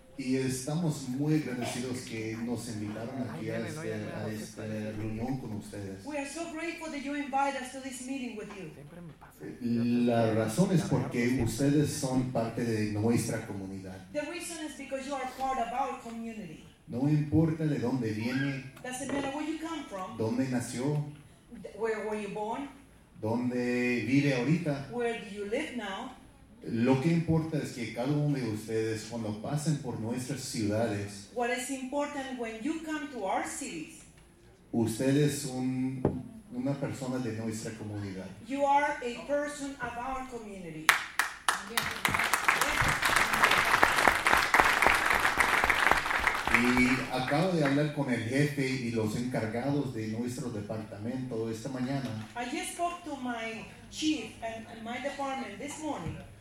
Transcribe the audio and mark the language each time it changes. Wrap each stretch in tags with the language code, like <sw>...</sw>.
<es>Y estamos muy agradecidos que nos invitaron aquí a esta reunión con ustedes.</es> <en>We are so grateful that you invited us to this meeting with you.</en> <es>La razón es porque ustedes son parte de nuestra comunidad.</es> <en>The reason is because you are part of our community.</en> <es>No importa de dónde viene.</es> <en>Doesn't matter where you come from.</en> <es>Dónde nació.</es> <en>Where were you born?</en> <es>Dónde vive ahorita.</es> <en>Where do you live now?</en> <es>Lo que importa es que cada uno de ustedes cuando pasen por nuestras ciudades.</es> <en>What is important when you come to our cities?</en> <es>Ustedes son una persona de nuestra comunidad.</es> <en>You are a person of our community.</en> <es>Y acabo de hablar con el jefe y los encargados de nuestro departamento esta mañana.</es> <en>I just spoke to my chief and my department this morning.</en>